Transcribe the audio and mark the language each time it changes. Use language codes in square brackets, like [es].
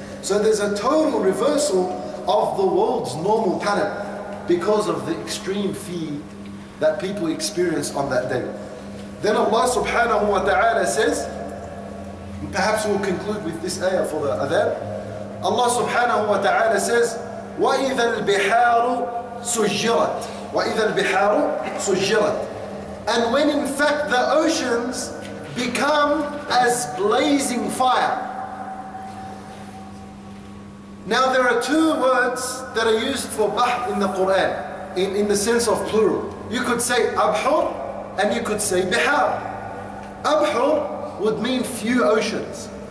[en] So there's a total reversal of the world's normal pattern because of the extreme fear that people experience on that day. Then Allah subhanahu wa ta'ala says, perhaps we'll conclude with this ayah for the adhan. Allah subhanahu wa ta'ala says, [ar] وَإِذَا الْبِحَارُ سُجِّرَتْ وَإِذَا الْبِحَارُ سُجِّرَتْ. [en] And when in fact the oceans become as blazing fire. Now there are two words that are used for bahr in the Quran, in the sense of plural. You could say abhur and you could say bihar. Abhur would mean few oceans.